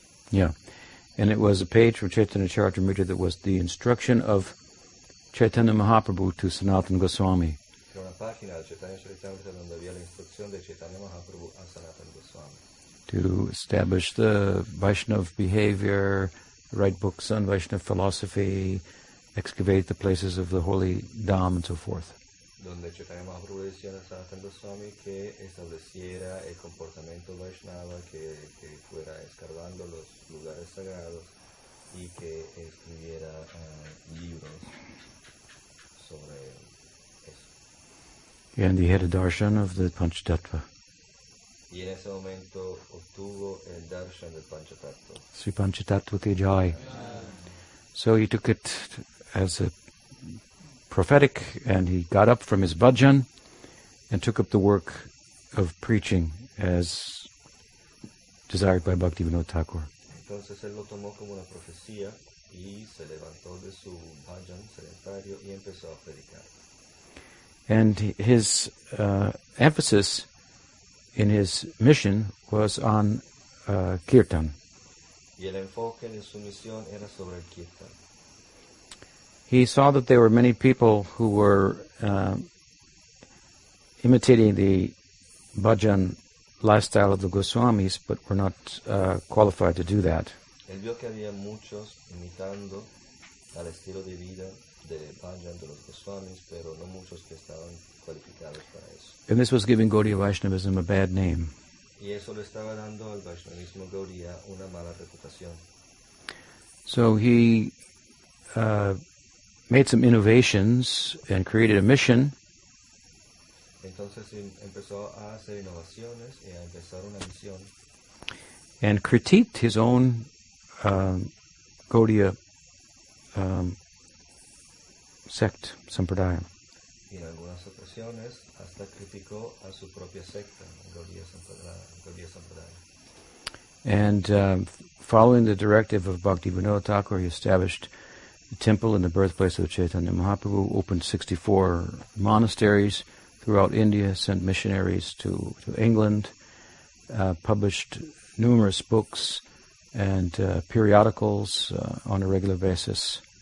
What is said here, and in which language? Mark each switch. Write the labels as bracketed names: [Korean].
[English] Yeah, and it was a page from Chaitanya Charitamrita that was the instruction of Chaitanya Mahaprabhu to Sanatana Goswami. [Spanish] Una página del Chaitanya Charitamrita donde había la instrucción de Chaitanya Mahaprabhu a Sanatana Goswami. [English] To establish the Vaishnava behavior, write books on Vaishnava philosophy, excavate the places of the holy Dham and so forth. [Spanish] Donde Chaitanya Mahaprabhu decía a Sanatana Goswami que estableciera el comportamiento Vaishnava, que fuera escarbando los lugares sagrados y que escribiera libros sobre eso. [English] And he had a darshan of the Panchatattva. [Spanish] Y en ese momento obtuvo el darshan del Panchatattva. [Hindi] Sri Panchatattva ki jai. [English] So he took it as a prophetic, and he got up from his bhajan and took up the work of preaching as desired by Bhaktivinoda Thakur. [Spanish] Entonces él lo tomó como una profecía y se levantó de su bhajan sedentario y empezó a predicar. [English] And his emphasis in his mission was on kirtan. [Spanish] Y el enfoque en su misión era sobre el kirtan. [English] He saw that there were many people who were imitating the bhajan lifestyle of the Goswamis, but were not qualified to do that. [Spanish] Él vio que había muchos imitando al estilo de vida de bhajan de los Goswamis, pero no muchos que estaban cualificados para eso. [English] And this was giving Gaudiya Vaishnavism a bad name. [Spanish] Y eso le estaba dando al Vaishnavismo Gaudiya una mala reputación. [English] So he made some innovations and created a mission. [Spanish] Entonces empezó a hacer innovaciones y a empezar una misión. [English] And critiqued his own Gaudiya sect, Sampradaya. [Spanish] Y en algunas ocasiones hasta criticó a su propia secta, Gaudiya Sampradaya. [English] And following the directive of Bhaktivinoda Thakur, he established the temple in the birthplace of Chaitanya Mahaprabhu, opened 64 monasteries throughout India, sent missionaries to England, published numerous books and periodicals on a regular basis.